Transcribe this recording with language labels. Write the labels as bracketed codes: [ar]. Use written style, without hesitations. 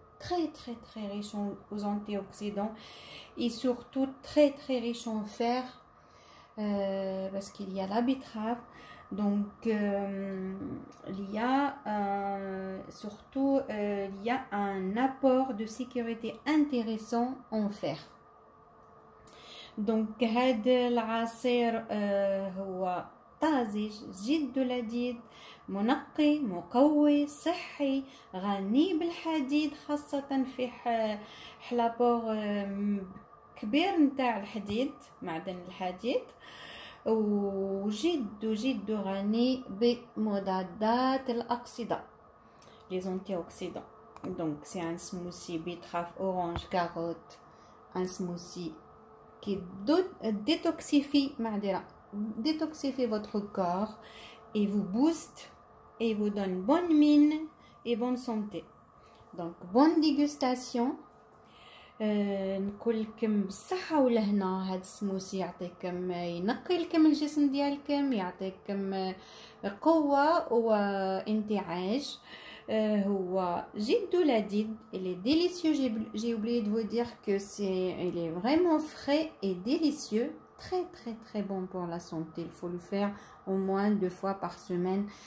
[fr] Très très très riche aux antioxydants et surtout très très riche en fer parce qu'il y a la betterave. Donc il y a surtout il y a un apport de sécurité intéressant en fer. [ar] Donc هاد العصير هو طازج جد لذيذ منقي مقوي صحي غني بالحديد خاصة في حلابور كبير نتاع الحديد معدن الحديد وجد جد غني بمضادات الأكسدة [fr] لي زونتي أوكسيدون. دونك سي ان سموسي بيتراف أورانج كاروت ان سموسي كي ديتوكسيفي معدرة détoxifie votre corps et vous booste et vous donne bonne mine et bonne santé. Donc bonne dégustation. [ar] نقولكم بالصحة والهنا. هاد السموسي يعطيكم ينقي لكم الجسم ديالكم يعطيكم قوة وانتعاش. هو جد لذيذ. [fr] Il est délicieux. J'ai oublié de vous dire que c'est il est vraiment frais et délicieux. Très très très bon pour la santé. Il faut le faire au moins deux fois par semaine.